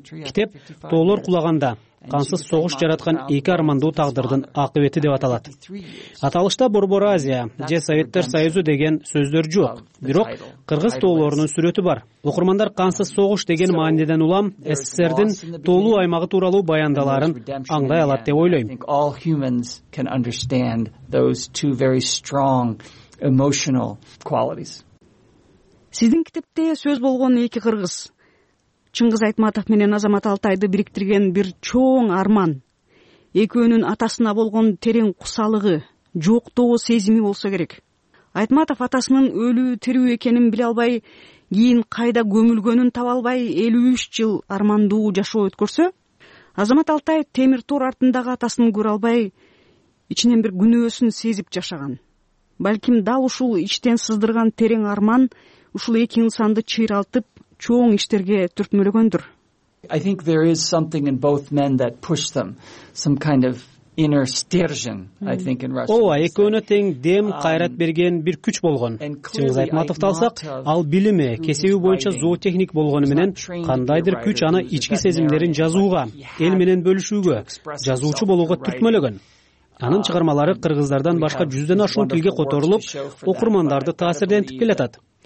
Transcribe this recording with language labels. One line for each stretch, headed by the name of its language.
Kyrgyz: Китеп «Тоолор кулаганда кансыз согуш жараткан эки армандуу тагдырдын акыбети» деп аталат. Аталышта Борбор Азия же Советтер Союзу деген сөздөр жок, бирок кыргыз тоолорунун сүрөтү бар. Окурмандар кансыз согуш деген мааниден улам СССРдин тоолуу аймагы тууралуу баяндаларын аңдай алат деп ойлойм.
English: All humans can understand those two very strong emotional qualities.
Kyrgyz: Сиздин китепте сөз болгон эки кыргыз, Чыңгыз Айтматов менен Азамат Алтайды бириктирген бир чоң арман, экөөнүн атасына болгон терең кусалыгы, жоктоо сезими болсо керек. Айтматов атасынын өлүү тирүү экенин биле албай, кийин кайда көмүлгөнүн таба албай 53 жыл армандуу жашоо өткөрсө, Азамат Алтай темир тор артындагы атасын көрө албай, ичинен бир күнөөсүн сезип жашаган. Балким дал ушул ичтен сыздырган терең арман ушул эки инсанды чыйралтып, чоң иштерге түрткүлөгөндүр.
English: I think there is something in both men that pushed them, some kind of inner stergen, I think in Russia.
Kyrgyz: Ооба, экөөнө тең дем кайрат берген бир күч болгон. Чыңгыз Айтматовду алсак, ал билими, кесиби боюнча зоотехник болгону менен кандайдыр күч аны ички сезимдерин жазууга, эл менен бөлүшүүгө, жазуучу болууга түрткүлөгөн. Анын чыгармалары кыргыздардан башка 100 ашуун тилге которулуп, окурмандарды таасирлентип келатат.